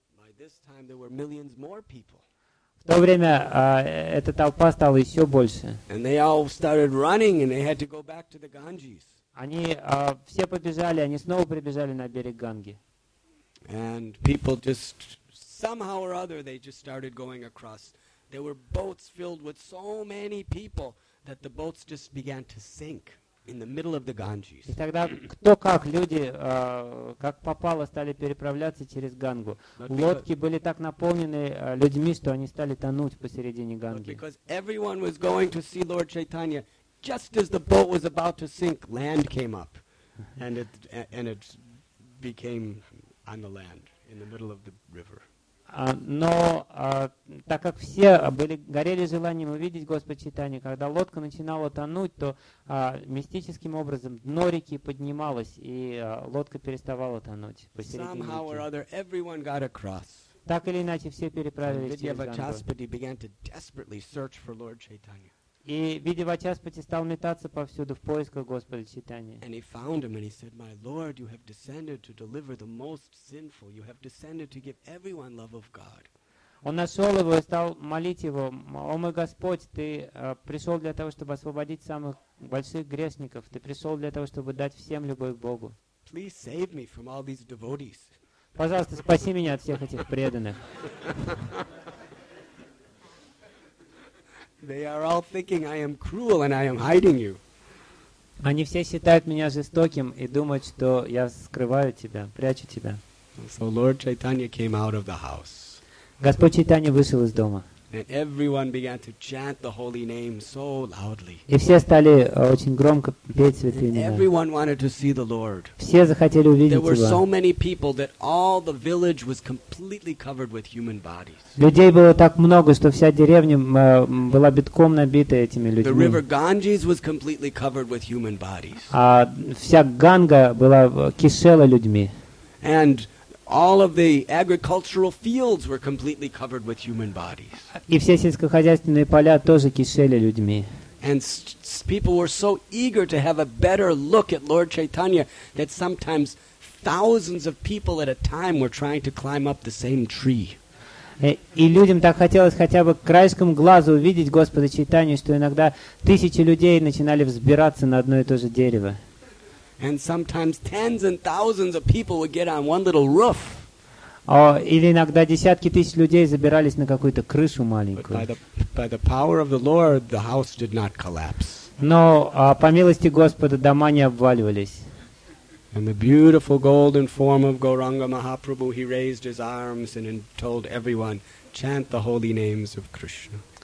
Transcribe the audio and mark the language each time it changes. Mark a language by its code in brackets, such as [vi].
[en] By this time there were millions more people. [ru] В то время эта толпа стала еще больше. [en] And they all started running, and they had to go back to the Ganges. [ru] Они все побежали, они снова прибежали на берег Ганги. [en] And people just somehow or other they just started going across. There were boats filled with so many people that the boats just began to sink in the middle of the Ganges. [ru] И тогда кто как люди как попало стали переправляться через Гангу. Лодки были так наполнены людьми, что они стали тонуть посередине Ганги. [en] Because everyone was going to see Lord Chaitanya, just as the boat was about to sink, land came up, and it became on the land in the middle of the river. [ru] Так как все горели желанием увидеть Господь Чайтанья, когда лодка начинала тонуть, то мистическим образом дно реки поднималось, и лодка переставала тонуть посередине реки. Так или иначе, все переправились через Гангу. И Видья Вачаспати стал метаться повсюду в поисках Господа Чайтаньи. [en] And he found him and he said, "My Lord, you have descended to deliver the most sinful. You have descended to give everyone love of God." [ru] Он нашел его и стал молить его: "О мой Господь, ты пришел для того, чтобы освободить самых больших грешников. Ты пришел для того, чтобы дать всем любовь к Богу. [en] Please save me from all these devotees." [ru] Пожалуйста, спаси меня от всех этих преданных. [en] They are all thinking I am cruel and I am hiding you. [ru] Они все считают меня жестоким и думают, что я скрываю тебя, прячу тебя. [en] So Lord Chaitanya came out of the house. [ru] Господь Чайтанья вышел из дома. [en] And everyone began to chant the holy name so loudly. [ru] И все стали очень громко петь святые имена. [en] Everyone wanted to see the Lord. [ru] Все захотели увидеть его. [en] There were so many people that all the village was completely covered with human bodies. [ru] Людей было так много, что вся деревня была битком набита этими людьми. [en] The river Ganges was completely covered with human bodies. [ru] А вся Ганга была кишела людьми. [en] And all of the agricultural fields were completely covered with human bodies. [ru] И все сельскохозяйственные поля тоже кишели людьми. [en] And people were so eager to have a better look at Lord Chaitanya that sometimes thousands of people at a time were trying to climb up the same tree. [ru] И людям так хотелось хотя бы краешком глаза увидеть Господа Чайтанью, что иногда тысячи людей начинали взбираться на одно и то же дерево. [en] And sometimes tens and thousands of people would get on one little roof. [ru] Или иногда десятки тысяч людей забирались на какую-то крышу маленькую. [en] By the power of the Lord, the house did not collapse. [ru] Но по милости Господа дома не обваливались. [en] And the beautiful golden form of Gauranga Mahaprabhu, he raised his arms and told everyone, "Chant the holy names of Krishna."